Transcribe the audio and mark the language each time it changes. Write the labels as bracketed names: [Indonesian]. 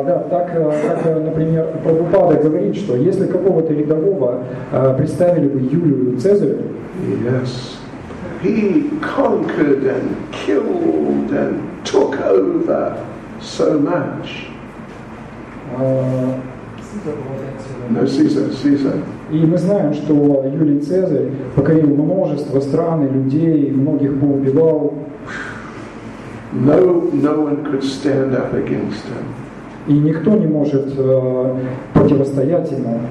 [Russian] Так, например, Прабхупада говорит, что если какого-то рядового представили бы Юлию Цезарю, [English] yes, he conquered and killed and took over so much. Caesar. [Russian] И мы знаем, что Юлий Цезарь покорил множество стран и людей, многих поубивал. [English] No one could stand up against him. [Russian] И никто не может противостоять ему.